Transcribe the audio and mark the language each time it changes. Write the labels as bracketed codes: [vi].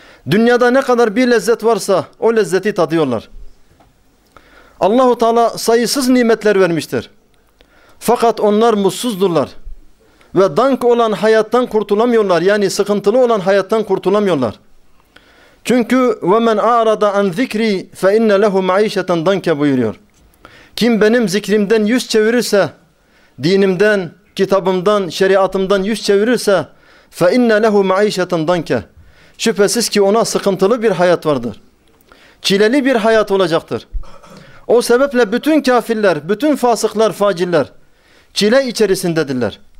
[tr] Dünyada ne kadar bir lezzet varsa o lezzeti tadıyorlar. Allah-u Teala sayısız nimetler vermiştir. Fakat onlar mutsuzdurlar. Ve dank olan hayattan kurtulamıyorlar. Yani sıkıntılı olan hayattan kurtulamıyorlar. Çünkü [ar] وَمَنْ اَعْرَضَ عَنْ ذِكْرِي فَاِنَّ لَهُ مَعِيشَةً دَنْكَ [tr] buyuruyor. Kim benim zikrimden yüz çevirirse, dinimden, kitabımdan, şeriatımdan yüz çevirirse [ar] فَاِنَّ لَهُ مَعِيشَةً دَنْكَ [tr] şüphesiz ki ona sıkıntılı bir hayat vardır. Çileli bir hayat olacaktır. O sebeple bütün kafirler, bütün fasıklar, faciller çile içerisindedirler.